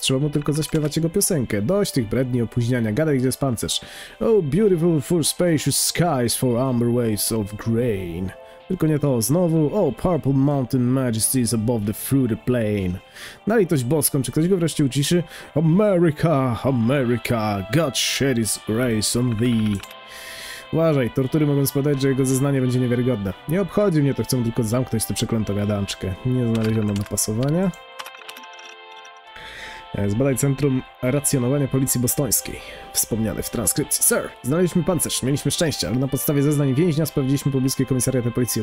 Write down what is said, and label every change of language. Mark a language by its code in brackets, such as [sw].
[pl] Trzeba mu tylko zaśpiewać jego piosenkę. Dość tych bredni opóźniania. Gadaj, gdzie jest pancerz. [en] Oh, beautiful, full spacious skies for amber waves of grain. [pl] Tylko nie to, znowu. [en] Oh, purple mountain majesty is above the fruity plain. [pl] Na litość boską, czy ktoś go wreszcie uciszy? [en] America, America, God shed his grace on thee. [pl] Uważaj, tortury mogą spadać, że jego zeznanie będzie niewiarygodne. Nie obchodzi mnie to, chcę tylko zamknąć tę przeklętą gadanczkę. Nie znaleziono dopasowania. Zbadaj centrum racjonowania policji bostońskiej. Wspomniany w transkrypcji. Sir, znaleźliśmy pancerz, mieliśmy szczęście, ale na podstawie zeznań więźnia sprawdziliśmy pobliskie komisariaty policji.